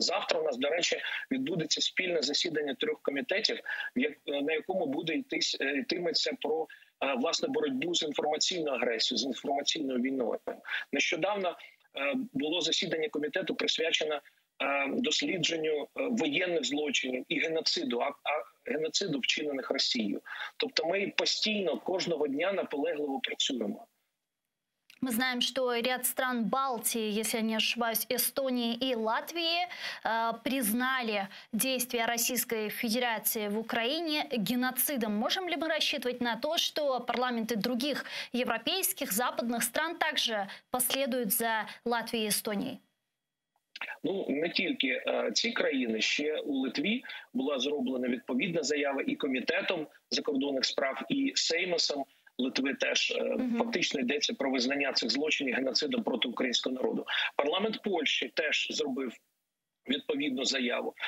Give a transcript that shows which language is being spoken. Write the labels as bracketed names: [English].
[Ukrainian] Завтра у нас, до речі, відбудеться спільне засідання трьох комітетів, на якому буде йтиметься про власне боротьбу з інформаційною агресією, з інформаційною війною. Нещодавно було засідання комітету присвячене дослідженню воєнних злочинів і геноциду, геноциду, вчинених Росією. Тобто ми постійно, кожного дня наполегливо працюємо. [Russian] Мы знаем, что ряд стран Балтии, если я не ошибаюсь, Эстонии и Латвии, признали действия Российской Федерации в Украине геноцидом. Можем ли мы рассчитывать на то, что парламенты других европейских, западных стран также последуют за Латвией и Эстонией? [Ukrainian] Ну, не тільки ці країни, ще у Литві була зроблена відповідна заява і Комітетом закордонних справ, і Сеймасом. Литви теж фактично йдеться про визнання цих злочинів геноцидом проти українського народу. Парламент Польщі теж зробив відповідну заяву.